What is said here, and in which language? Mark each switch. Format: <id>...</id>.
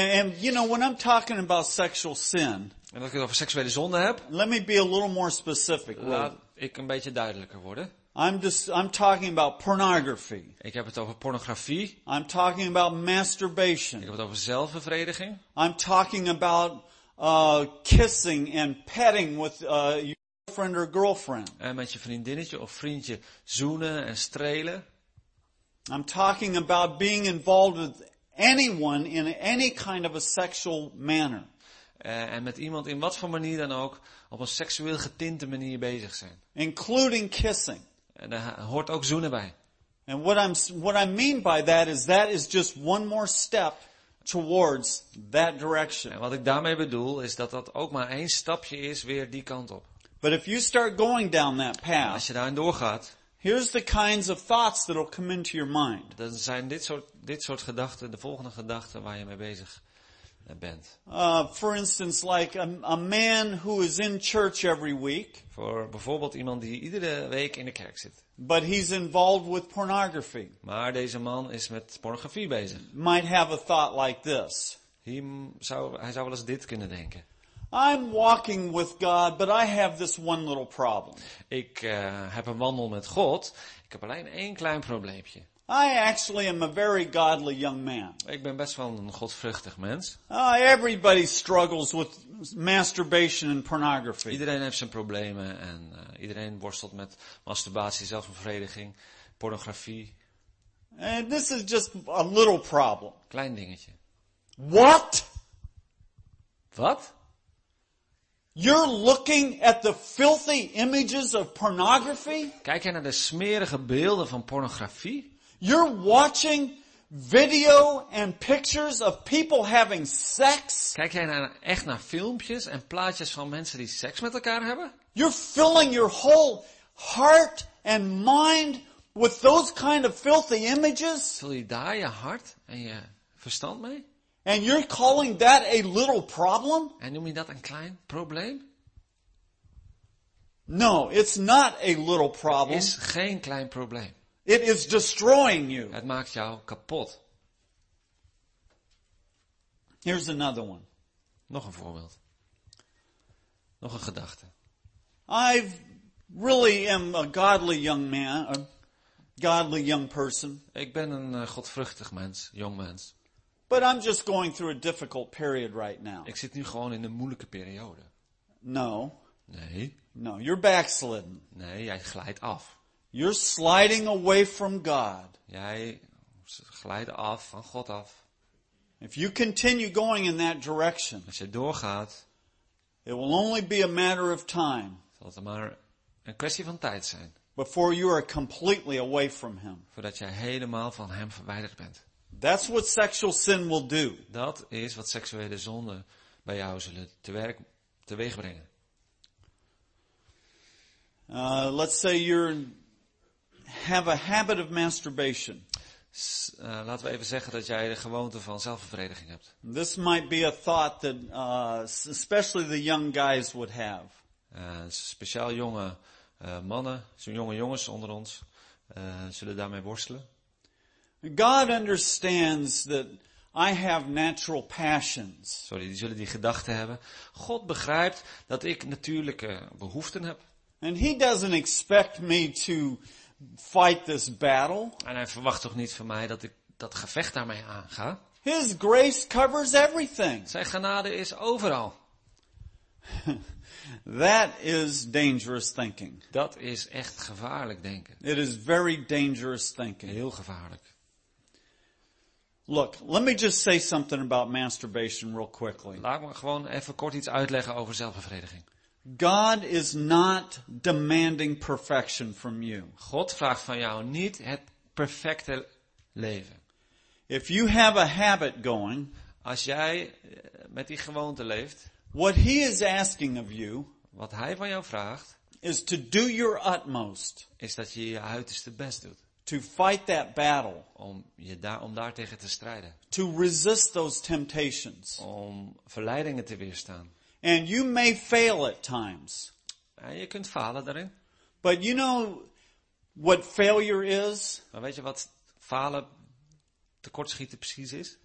<en>And you know, when I'm talking about sexual sin.</en> <nl>En als ik het over seksuele zonde heb.</nl> <en>Let me be a little more specific.</en> <nl>Laat ik een beetje duidelijker worden.</nl> <en>I'm talking about pornography.</en> <nl>Ik heb het over pornografie.</nl> <en>I'm talking about masturbation.</en> <nl>Ik heb het over zelfbevrediging.</nl> <en>I'm talking about kissing and petting with your boyfriend or girlfriend.</en> <nl>En met je vriendinnetje of vriendje zoenen en strelen.</nl> <en>I'm talking about being involved with anyone in any kind of a sexual manner.</en> <nl>En met iemand in wat voor manier dan ook op een seksueel getinte manier bezig zijn.</nl> <en>Including kissing.</en> <nl>En daar hoort ook zoenen bij.</nl> <en>And what I mean by that is just one more step towards that direction.</en> <nl>En wat ik daarmee bedoel is dat dat ook maar één stapje is weer die kant op.</nl> <en>But if you start going down that path,</en> <nl>als je daarin doorgaat,</nl> <en>here's the kinds of thoughts that will come into your mind.</en> <nl>Dan zijn dit soort gedachten de volgende gedachten waar je mee bezig bent.</nl> <en>For instance, like a man who is in church every week.</en> <nl>Voor bijvoorbeeld iemand die iedere week in de kerk zit.</nl> <en>But he's involved with pornography.</en> <nl>Maar deze man is met pornografie bezig.</nl> <en>Might have a thought like this.</en> <nl>Hij zou wel eens dit kunnen denken.</nl> <en>I'm walking with God, but I have this one little problem.</en> <nl>Ik heb een wandel met God. Ik heb alleen één klein probleempje.</nl> <en>I actually am a very godly young man.</en> <nl>Ik ben best wel een godvruchtig mens.</nl> <en>Everybody struggles with masturbation and pornography.</en> <nl>Iedereen heeft zijn problemen en iedereen worstelt met masturbatie, zelfbevrediging, pornografie.</nl> <en>And this is just a little problem.</en> <nl>Klein dingetje.</nl> <en>What?</en> <nl>Wat?</nl> <en>You're looking at the filthy images of pornography?</en> <nl>Kijk je naar de smerige beelden van pornografie?</nl> <en>You're watching video and pictures of people having sex?</en> <nl>Kijk jij naar echt naar filmpjes en plaatjes van mensen die seks met elkaar hebben?</nl> <en>You're filling your whole heart and mind with those kind of filthy images?</en> <nl>Vul je daar je hart en je verstand mee?</nl> <en>And you're calling that a little problem?</en> <nl>En noem je dat een klein probleem?</nl> <en>No, it's not a little problem.</en> <nl>Is geen klein probleem.</nl> <en>It is destroying you.</en> <nl>Het maakt jou kapot.</nl> <en>Here's another one.</en> <nl>Nog een voorbeeld. Nog een gedachte.</nl> <en>I really am a godly young man, a godly young person.</en> <nl>Ik ben een godvruchtig mens, jong mens.</nl> <en>But I'm just going through a difficult period right now.</en> <nl>Ik zit nu gewoon in een moeilijke periode.</nl> <en>No.</en> <nl>Nee.</nl> <en>No, you're backslidden.</en> <nl>Nee, jij glijdt af.</nl> <en>You're sliding away from God.</en> <nl>Jij glijdt af van God af.</nl> <en>If you continue going in that direction,</en> <nl>als je doorgaat,</nl> <en>it will only be a matter of time.</en> <nl>Zal het maar een kwestie van tijd zijn.</nl> <en>Before you are completely away from Him.</en> <nl>Voordat jij helemaal van Hem verwijderd bent.</nl> <en>That's what sexual sin will do.</en> <nl>Dat is wat seksuele zonden bij jou zullen teweeg brengen.</nl> <en>Let's say you're have a habit of masturbation.</en> <nl>Laten we even zeggen dat jij de gewoonte van zelfbevrediging hebt.</nl> <en>This might be a thought that especially the young guys would have.</en> <nl>Speciaal jonge mannen, zo'n jonge jongens onder ons, zullen daarmee worstelen.</nl> <en>God understands that I have natural passions.</en> <nl>Sorry, die zullen die gedachten hebben. God begrijpt dat ik natuurlijke behoeften heb.</nl> <en>And He doesn't expect me to fight this battle.</en> <nl>En Hij verwacht toch niet van mij dat ik dat gevecht daarmee aanga.</nl> <en>His grace covers everything.</en> <nl>Zijn genade is overal.</nl> <en>That is dangerous thinking.</en> <nl>Dat is echt gevaarlijk denken.</nl> <en>It is very dangerous thinking.</en> <nl>Heel gevaarlijk.</nl> <en>Look, let me just say something about masturbation real quickly.</en> <nl>Laat me gewoon even kort iets uitleggen over zelfbevrediging.</nl> <en>God is not demanding perfection from you.</en> <nl>God vraagt van jou niet het perfecte leven.</nl> <en>If you have a habit going,</en> <nl>als jij met die gewoonte leeft,</nl> <en>what He is asking of you,</en> <nl>wat Hij van jou vraagt,</nl> <en>is to do your utmost,</en> <nl>is dat je je uiterste best doet.</nl> <en>To fight that battle.</en> <nl>Om daar tegen te strijden.</nl> <en>To resist those temptations.</en> <nl>Om verleidingen te weerstaan.</nl> <en>And you may fail at times.</en> <nl>En je kunt falen daarin.</nl> <en>But you know what failure is?</en> <nl>Maar weet je wat falen tekortschieten precies is?</nl>